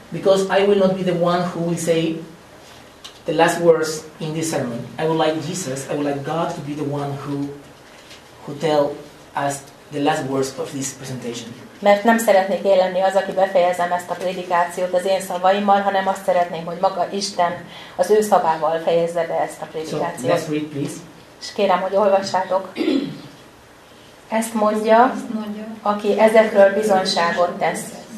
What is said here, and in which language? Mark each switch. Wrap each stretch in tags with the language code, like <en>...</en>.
<en>Because I will not be the one who will say the last words in this sermon. I would like Jesus, I would like God to be the one who tell us the last words of this presentation.</en> <hu>Mert nem szeretnék én lenni az, aki befejezem ezt a prédikációt az én szavaimmal, hanem azt szeretném, hogy maga Isten az ő szavával fejezze be ezt a prédikációt.</hu> <en>So, let's read, please.</en> <hu>És kérem, hogy olvassátok. Ezt mondja, aki ezekről bizonyságot tesz.</hu>